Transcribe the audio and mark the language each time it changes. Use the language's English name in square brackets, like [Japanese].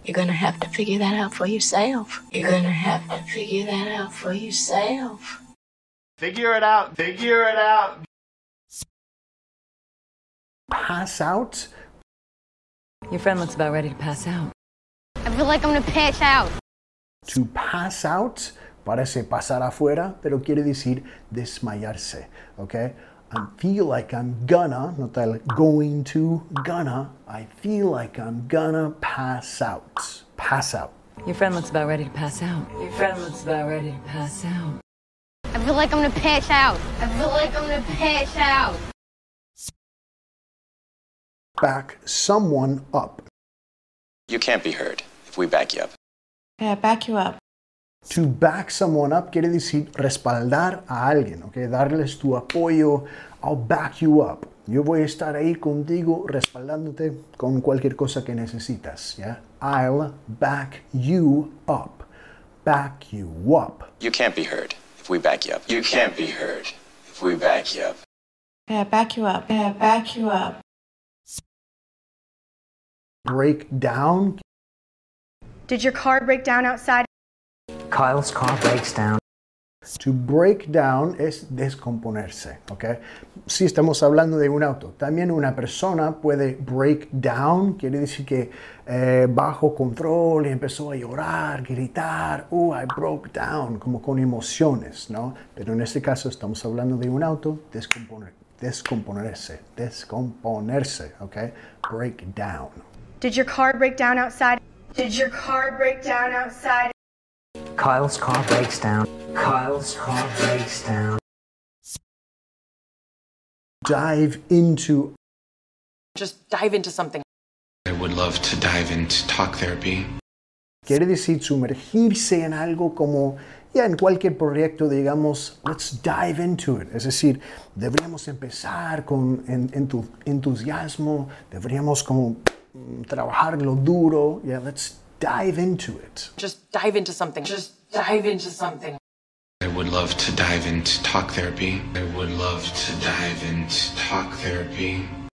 [English] You're gonna have to figure that out for yourself. You're gonna have to figure that out for yourself. Figure it out. Figure it out. Pass out? Your friend looks about ready to pass out. I feel like I'm gonna pass out. [Spanish] To pass out parece pasar afuera, pero quiere decir desmayarse, okay? [English] I feel like I'm gonna, [Spanish] nota el [English] going to, gonna. I feel like I'm gonna pass out. Pass out. Your friend looks about ready to pass out. Your friend looks about ready to pass out. I feel like I'm gonna pass out. I feel like I'm gonna pass out. Back someone up. You can't be heard if we back you up. Yeah, back you up. [Spanish] To back someone up quiere decir respaldar a alguien, okay? Darles tu apoyo. [English] I'll back you up. [Spanish] Yo voy a estar ahí contigo respaldándote con cualquier cosa que necesitas, yeah? [English] I'll back you up. Back you up. You can't be heard if we back you up. You can't be heard if we back you up. Yeah, back you up. Yeah, back you up. Break down. Did your car break down outside? Kyle's car breaks down. [Spanish] To break down es descomponerse, ¿ok? Si estamos hablando de un auto, también una persona puede break down, quiere decir que bajo control y empezó a llorar, gritar, [English] I broke down, [Spanish] como con emociones, ¿no? Pero en este caso estamos hablando de un auto, descomponerse, ¿ok? [English] Break down. Did your car break down outside? Did your car break down outside? Kyle's car breaks down. Kyle's car breaks down. Dive into. Just dive into something. I would love to dive into talk therapy. [Spanish] Quiere decir sumergirse en algo como, ya en cualquier proyecto, digamos, [English] let's dive into it. [Spanish] Es decir, deberíamos empezar con tu entusiasmo, deberíamos como trabajarlo duro. [English] Yeah, let's dive into it. Just dive into something. Just dive into something. I would love to dive into talk therapy. I would love to dive into talk therapy.